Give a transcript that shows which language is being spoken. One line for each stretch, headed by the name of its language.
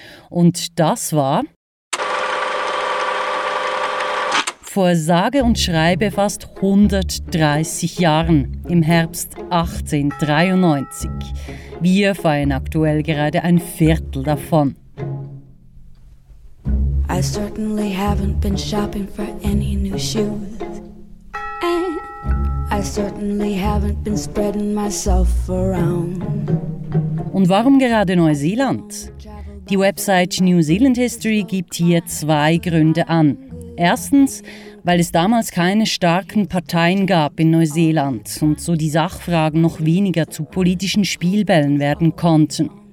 German: Und das war vor sage und schreibe fast 130 Jahren, im Herbst 1893. Wir feiern aktuell gerade ein Viertel davon.
English: I certainly haven't been shopping for any new shoes. I certainly haven't been spreading myself around.
German: Und warum gerade Neuseeland? Die Website New Zealand History gibt hier zwei Gründe an. Erstens, weil es damals keine starken Parteien gab in Neuseeland und so die Sachfragen noch weniger zu politischen Spielbällen werden konnten.